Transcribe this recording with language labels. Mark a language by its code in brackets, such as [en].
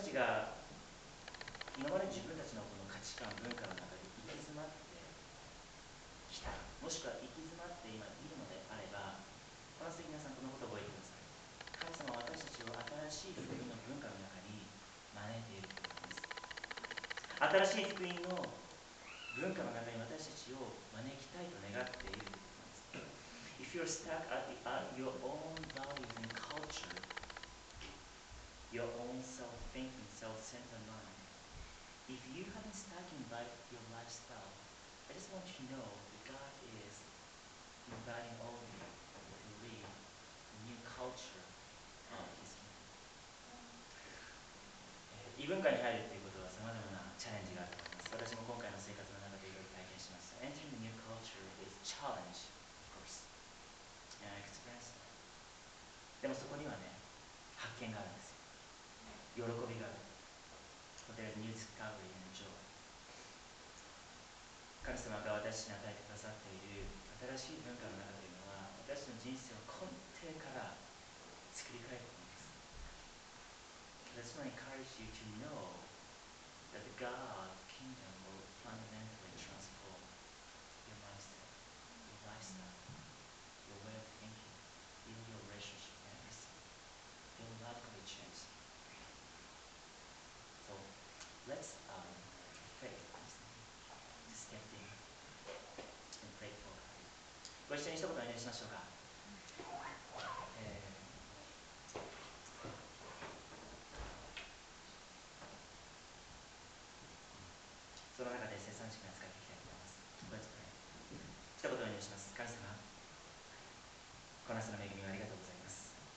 [ja] もし私たちが今まで自分たちのこの価値観、文化の中で行き詰まってきた、もしくは行き詰まって今いるのであれば、この次皆さんこのことを覚えてください。神様は私たちを新しい福音の文化の中に招いているということです。新しい福音の文化の中に私たちを招きたいと願っているということです。 [en] If you're stuck at the, your own values and culture, your own self-thinking, self-centered mind,If you haven't stuck in your lifestyle, I just want you to know that God is inviting all of you to live a new culture of His kingdom. [ja] 異文化に入るということは様々なチャレンジがあると思います。私も今回の生活の中でいろいろ体験しました。 [en] Entering the new culture is a challenge, of course. And I experienced that. [ja] でもそこにはね、発見があるんですよ。喜びがある。 [en] There is new discovery and joy. [ja] 神様が私に与えてくださっている新しい文化の中というのは、私の人生を根底から作り変えています。 [en] I just want to encourage you to know that the God kingdom will fundamentally transform your mindset, your lifestyle, your way of thinking, even your relationship and everything. It will radically change. Let's pray this step in and pray for God. [ja] ご一緒に一言お願いしましょうか。その中で生産式に扱っていきたいと思います。 [en] Let's pray. [ja] 一言お願いします。神様、この朝の恵みをありがとうございます。